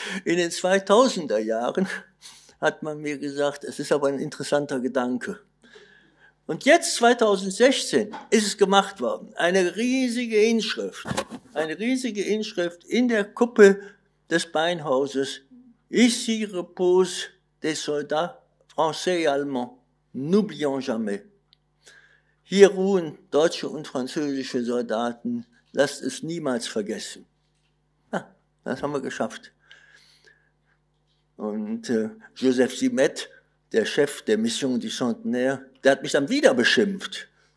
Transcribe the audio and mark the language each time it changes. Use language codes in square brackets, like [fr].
[de] In den 2000er Jahren hat man mir gesagt, es ist aber ein interessanter Gedanke. Und jetzt, 2016, ist es gemacht worden. Eine riesige Inschrift in der Kuppel des Beinhauses. [fr] Ici repose des soldats français et allemands. N'oublions jamais. [de] Hier ruhen deutsche und französische Soldaten, lasst es niemals vergessen. Ja, das haben wir geschafft. Und Joseph Simet, der Chef der Mission du Centenaire, der hat mich dann wieder beschimpft.